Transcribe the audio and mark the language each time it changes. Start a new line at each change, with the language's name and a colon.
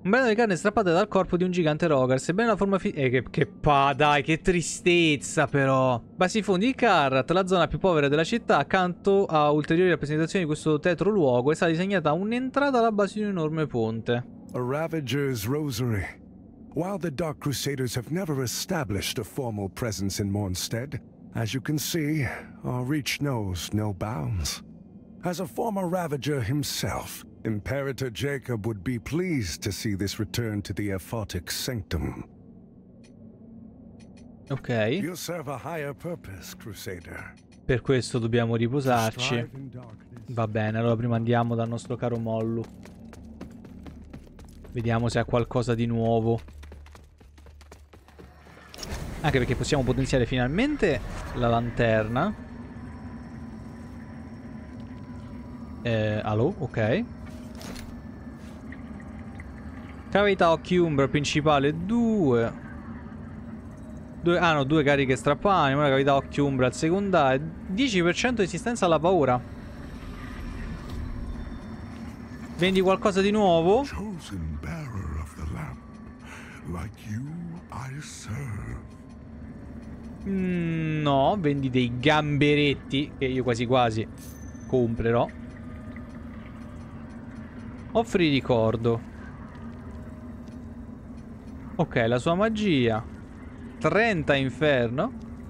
Italian: Un brano di carne strappata dal corpo di un gigante Rogar. Sebbene la forma fisica... dai, che tristezza però. Basifondi di Kallrat, la zona più povera della città, accanto a ulteriori rappresentazioni di questo tetro luogo, è stata disegnata un'entrata alla base di un enorme ponte.
English: A Ravager's Rosary. While the Dark Crusaders have never established a formal presence in Mornstead, as you can see, our reach knows no bounds. As a former Ravager himself, Imperator Jacob would be pleased to see this return to the Aphotic Sanctum. Ok. You serve a higher purpose, Crusader.
Italian: Per questo dobbiamo riposarci. Va bene, allora prima andiamo dal nostro caro Mollu. Vediamo se ha qualcosa di nuovo. Anche perché possiamo potenziare finalmente la lanterna. Allo? Ok. Cavità occhi umbra principale 2. Hanno due cariche strappane, una cavità occhio umbra al secondario, 10% di resistenza alla paura. Vendi qualcosa di nuovo?
English: Chosen bearer of the lamp, like you I serve.
Italian: No, vendi dei gamberetti che io quasi quasi comprerò. Offri ricordo. Ok, la sua magia 30 inferno.